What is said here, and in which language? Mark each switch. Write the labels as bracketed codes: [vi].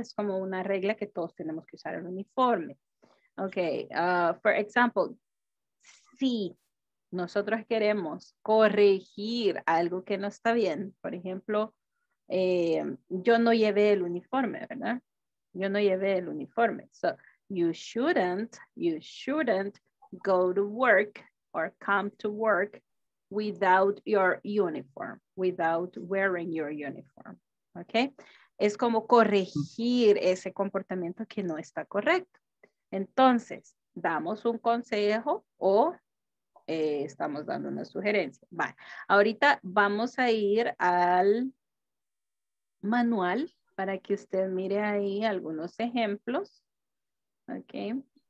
[es] Es como una regla que todos tenemos que usar el uniforme. [en] Okay, for example, [es] si nosotros queremos corregir algo que no está bien, por ejemplo, yo no llevé el uniforme, ¿verdad? Yo no llevé el uniforme. [en] So, you shouldn't go to work or come to work without your uniform, without wearing your uniform, okay? [es] Es como corregir ese comportamiento que no está correcto. Entonces, damos un consejo o estamos dando una sugerencia. Vale. Ahorita vamos a ir al manual para que usted mire ahí algunos ejemplos, okay?